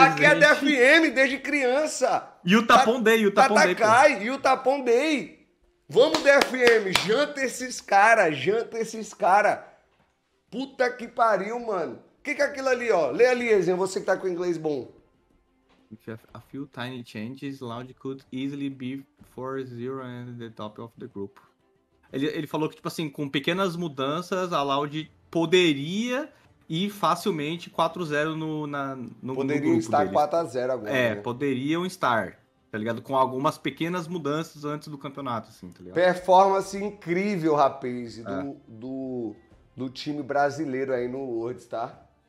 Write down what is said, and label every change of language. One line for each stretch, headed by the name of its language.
Portuguese: Aqui é DFM desde criança. E o tapão dei, Tatakai, e o tapão dei. Vamos, DFM, janta esses caras. Puta que pariu, mano. O que é aquilo ali, ó? Lê ali, Ezinho, você que tá com o inglês bom.
English: If you have a few tiny changes, Loud could easily be 4-0 and the top of the group.
Portuguese: Ele falou que, tipo assim, com pequenas mudanças, a Loud poderia ir facilmente 4-0 no grupo. Poderiam estar 4-0 agora. É, né? Poderiam estar, tá ligado? Com algumas pequenas mudanças antes do campeonato, assim, tá ligado? Performance incrível, rapaz, do time brasileiro aí no Worlds, tá?